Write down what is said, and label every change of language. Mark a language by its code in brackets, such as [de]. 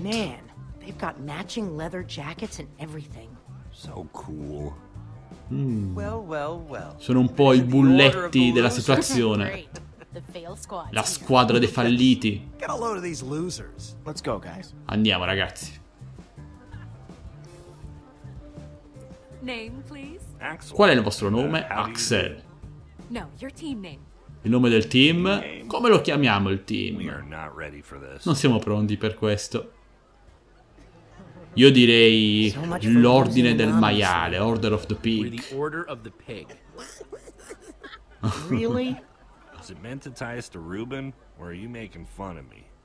[en] They've got matching leather jackets and everything. So cool. Well. [it] Sono un po' i bulletti della situazione. La squadra dei falliti. [en] Get a load of these losers. Let's go, guys. [it] Andiamo, ragazzi. [en] Name, please. [it] Qual è il vostro nome? [en] Axel. No, your team name. [it] Il nome del team? Come lo chiamiamo il team? Non siamo pronti per questo. Io direi l'ordine del maiale, [en] Order of the Pig. The Order of the Pig. Really? Is it meant to tie us to Reuben or are you making fun of me?